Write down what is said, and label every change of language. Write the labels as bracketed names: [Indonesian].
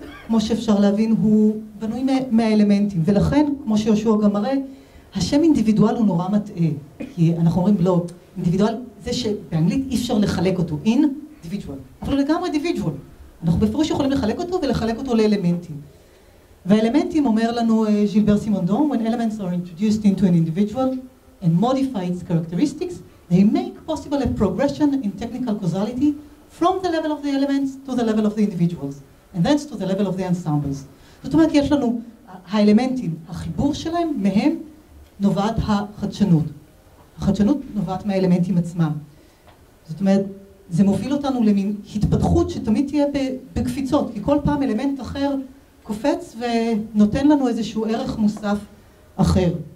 [Hebrew] כמו שאפשר להבין, הוא בנוי מהאלמנטים. ולכן, כמו שיהושע גם מראה, השם אינדיבידואל הוא נורא מטעה. כי אנחנו אומרים, לא, אינדיבידואל זה שבאנגלית אי אפשר לחלק אותו, אינדיבידואל. אבל הוא לגמרי אינדיבידואל. אנחנו בפירוש יכולים לחלק אותו ולחלק אותו לאלמנטים. והאלמנטים אומר לנו [English] ז'ילבר סימונדון, when elements are introduced into an individual and modify its characteristics, they make possible a progression in technical causality from the level of the elements to the level of the individuals, and thence to the level of the ensembles. [Hebrew] זאת אומרת, יש לנו האלמנטים, החיבור שלהם, מהם נובעת החדשנות. החדשנות נובעת מהאלמנטים עצמם. זאת אומרת, זה מוביל אותנו למין התפתחות שתמיד תהיה בקפיצות, כי כל פעם אלמנט אחר קופץ ונותן לנו איזשהו ערך מוסף אחר.